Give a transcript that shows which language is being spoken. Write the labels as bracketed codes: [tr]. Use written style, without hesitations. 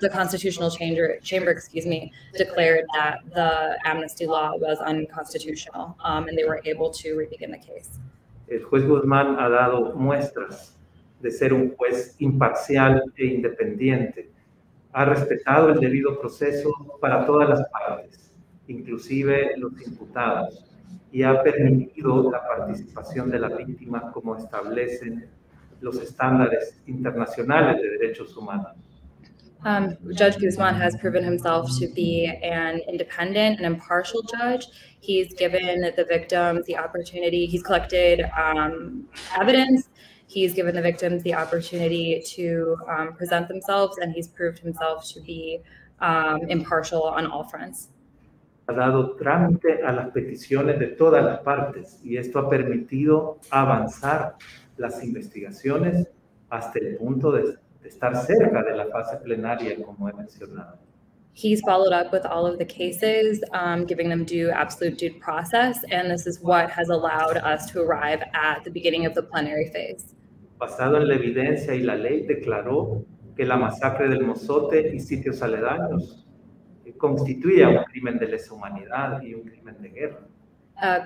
[en] The constitutional chamber declared that the amnesty law was unconstitutional, and they were able to re-begin the case. [es] El juez Guzmán ha dado muestras de ser un juez imparcial e independiente. Ha respetado el debido proceso para todas las partes, inclusive los imputados, y ha permitido la participación de las víctimas como establecen los estándares internacionales de derechos humanos. [en] Judge Guzman has proven himself to be an independent and impartial judge. He's given the victims the opportunity, he's collected evidence, he's given the victims the opportunity to present themselves, and he's proved himself to be impartial on all fronts. [es] Ha dado trámite a las peticiones de todas las partes, y esto ha permitido avanzar las investigaciones hasta el punto de estar cerca de la fase plenaria, como he mencionado. [en] He's followed up with all of the cases, giving them absolute due process, and this is what has allowed us to arrive at the beginning of the plenary phase. [es] Basado en la evidencia y la ley, declaró que la masacre del Mozote y sitios aledaños constituía un crimen de lesa humanidad y un crimen de guerra.